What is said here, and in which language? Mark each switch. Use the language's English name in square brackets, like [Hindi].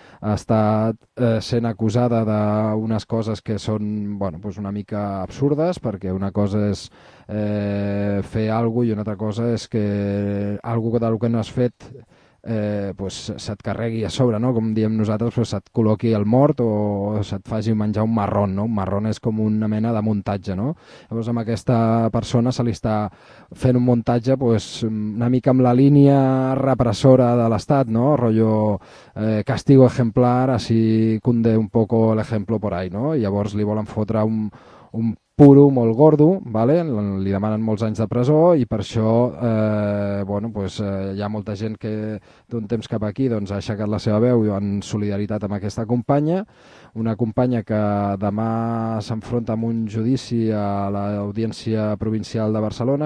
[Catalan] Ha estat sent acusada d'unes coses que són una mica absurdes, perquè una cosa és fer alguna cosa i una altra cosa és que alguna cosa que no has fet se't carregui a sobre, no? Com diem nosaltres, pues, se't col·loqui el mort o se't faci menjar un marron, no? Un marron és com una mena de muntatge, no? Llavors amb aquesta persona se li està fent un muntatge pues, una mica amb la línia repressora de l'Estat, no? [Spanish] Rollo castigo ejemplar, así cunde un poco el ejemplo por ahí, no? [Catalan] I llavors li volen fotre un puro molt gordo, vale? Li demanen molts anys de presó i per això hi ha molta gent que d'un temps cap aquí doncs, ha aixecat la seva veu en solidaritat amb aquesta companya, una companya que demà s'enfronta amb un judici a l'Audiència Provincial de Barcelona.